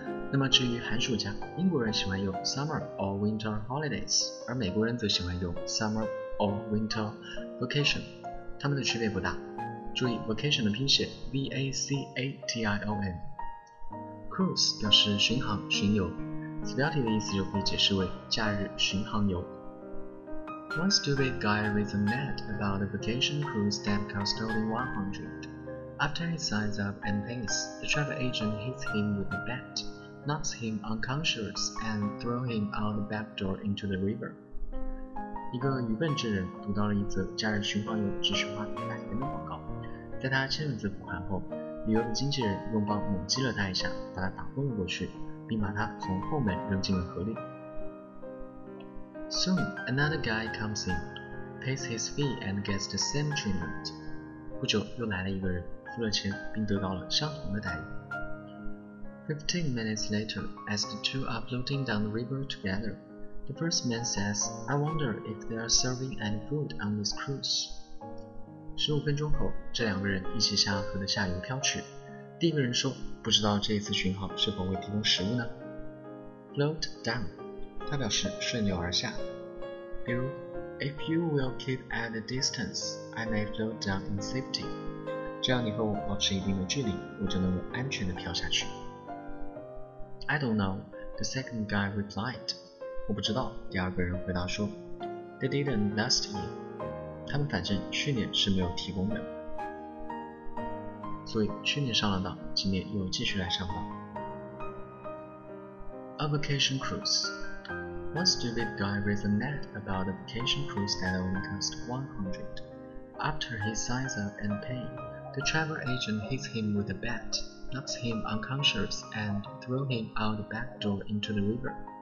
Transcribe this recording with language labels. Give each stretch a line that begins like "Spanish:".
Chinese: 那么至于寒暑假，英国人喜欢用
English: summer or winter holidays，
Chinese: 而美国人则喜欢用
English: summer or winter vacation，
Chinese: 它们的区别不大。注意 vacation 的拼写 V-A-C-A-T-I-O-N。 Cruise 表示巡航、巡游。此标题的意思就可以解释为假日巡航游。
English: One stupid guy with a net about a vacation cruise that cost only 100. After he signs up and pays, the travel agent hits him with a bat, knocks him unconscious, and throws him out the back door into the river.
Chinese: 一个愚笨之人读到了一则假日巡航游只需花100元的广告，在他千万字付款后，旅游的经纪人用棒猛击了他一下，把他打昏了过去。并把他从后门扔进了河里。
English: Soon, another guy comes in, pays his fee and gets the same treatment.
Chinese: 不久又来了一个人，付了钱并得到了相同的待遇。
English: 15 minutes later, as the two are floating down the river together, the first man says, I wonder if they are serving any food on this cruise.
Chinese: 15分钟后，这两个人一起向河的下游飘去。第一个人说，不知道这一次巡航是否会提供食物呢 ？
English: Float down，
Chinese: 它表示顺流而下。比如
English: ，If you will keep at a distance, I may float down in safety。
Chinese: 只要你和我保持一定的距离，我就能够安全地飘下去。
English: I don't know， the second guy replied。
Chinese: 我不知道，第二个人回答说。
English: They didn't last year。
Chinese: 他们反正去年是没有提供的。所以去年上了当，今年又继续来上当。
English: A vacation cruise. One stupid guy with a net about a vacation cruise that only cost 100. After he signs up and pay, the travel agent hits him with a bat, knocks him unconscious, and throws him out the back door into the river.